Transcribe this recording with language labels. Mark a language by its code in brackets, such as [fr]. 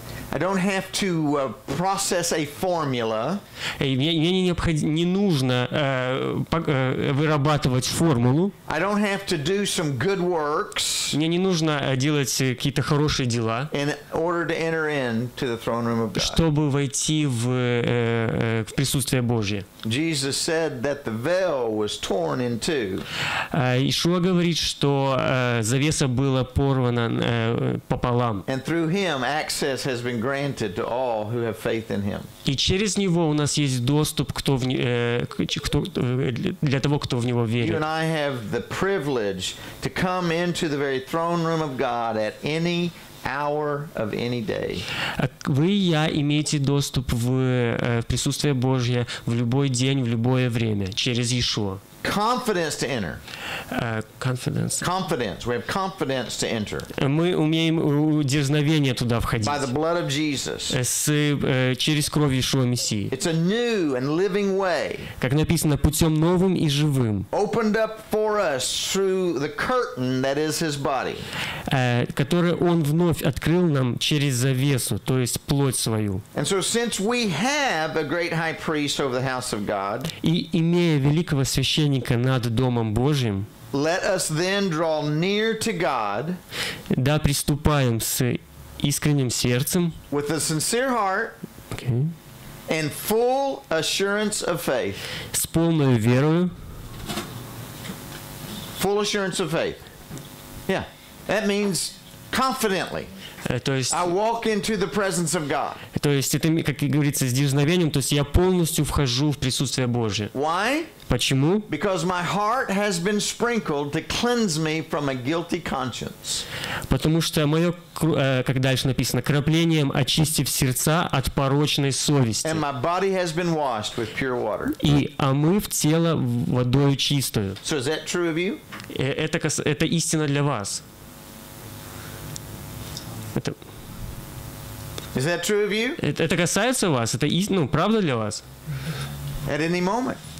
[en] I don't have to process a formula. [ru] Вырабатывать формулу. [en] I don't have to do some good works. [ru] Мне не нужно делать какие-то хорошие дела. [en] In order to enter into the throne room of God. [ru] Чтобы войти в присутствие Божье. [en] Jesus said that the veil was torn in two. [ru] Иешуа говорит, что завеса была порвана пополам. [en] And through him access has been granted to all who have faith in him. [ru] И через него у нас есть доступ для того, кто в него верит. [en] You and I have the privilege to come into the very throne room of God at any hour of any day. [ru] Вы и я имеете доступ в присутствие Божье в любой день, в любое время через Иешуа. [en] Confidence to enter. Confidence. Confidence. We have confidence to enter. [ru] Мы умеем дерзновение туда входить. [en] By the blood of Jesus. [ru] Через кровь Иешуа Мессии. [en] It's a new and living way. [ru] Как написано, путем новым и живым. [en] Opened up for us through the curtain that is His body. [ru] Который Он вновь открыл нам через завесу, то есть плоть свою. [en] And so since we have a great high priest over the house of God. [ru] И имея великого священника над Домом Божьим, [en] let us then draw near to God, [ru] да приступаем с искренним сердцем, [en] with a sincere heart, okay, and full assurance of faith, [ru] с полной верою, [en] full assurance of faith, yeah, that means confidently. [ru] То есть, [en] I walk into the presence of God. [ru] То есть это, как говорится, с дерзновением, то есть я полностью вхожу в присутствие Божье. [en] Why? [ru] Почему? [en] Because my heart has been sprinkled to cleanse me from a guilty conscience. [ru] Потому что мое, как дальше написано, кроплением очистив сердца от порочной совести. [en] And my body has been washed with pure water. [ru] И омыв тело водою чистою. [en] So is that true of you? [ru] Это истина для вас. [en] Is that true of you? [ru] Это касается вас? Это правда для вас? [en] At any moment.